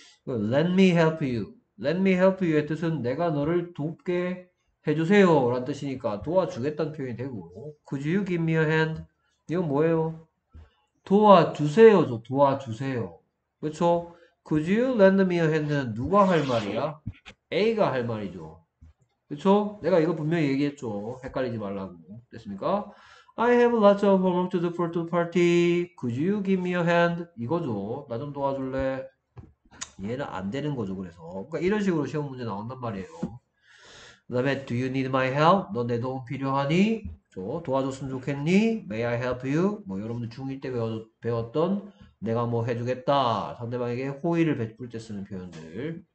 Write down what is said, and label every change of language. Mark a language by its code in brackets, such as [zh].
[en] Let me help you. Let me help you의 [ko] 뜻은 내가 너를 돕게 해주세요 라는 뜻이니까 도와주겠다는 표현이 되고, [en] Could you give me a hand? [ko] 이건 뭐예요? 도와주세요죠. 도와주세요. 그렇죠? [en] Could you lend me a hand [ko] 은 누가 할 말이야? A가 할 말이죠. 그렇죠? 내가 이거 분명히 얘기했죠. 헷갈리지 말라고. 됐습니까? [en] I have lots of homework to do for the party. Could you give me a hand? [ko] 이거죠. 나좀 도와줄래? 얘는 안 되는 거죠. 그래서 그러니까 이런 식으로 시험 문제 나온단 말이에요. 그다음에 [en] Do you need my help? [ko] 너내 도움 필요하니? 저 도와줬으면 좋겠니? [en] May I help you? [ko] 뭐 여러분들 중1 때 배웠던 내가 뭐 해주겠다 상대방에게 호의를 베풀 때 쓰는 표현들.